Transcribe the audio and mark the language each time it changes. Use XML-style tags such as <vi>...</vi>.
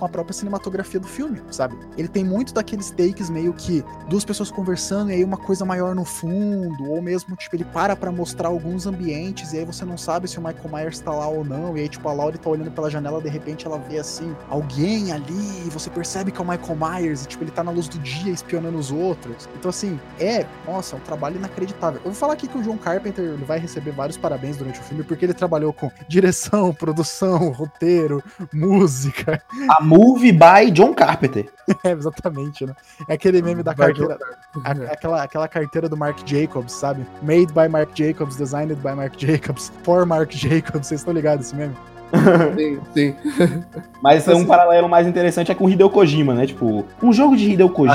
<pt>própria cinematografia do filme, sabe? Ele tem muito daqueles takes meio que duas pessoas conversando e aí uma coisa maior no fundo, ou mesmo, tipo, ele para mostrar alguns ambientes e aí você não sabe se o Michael Myers tá lá ou não, e aí, tipo, a Laurie tá olhando pela janela, de repente ela vê, assim, alguém ali e você percebe que é o Michael Myers, e, tipo, ele tá na luz do dia espionando os outros. Então, assim, nossa, um trabalho inacreditável. Eu vou falar aqui que o John Carpenter, ele vai receber vários parabéns durante o filme, porque ele trabalhou com direção, produção, roteiro, música.</pt> <en>A movie by John Carpenter.</en> <pt>É, exatamente, né? É aquele meme da carteira, aquela carteira do Marc Jacobs, sabe?</pt> <en>Made by Marc Jacobs, designed by Marc Jacobs, for Marc Jacobs,</en> <pt>vocês estão ligados esse meme? Sim. Mas assim, um paralelo mais interessante é com Hideo Kojima, né? Tipo, um jogo de Hideo Kojima.</pt>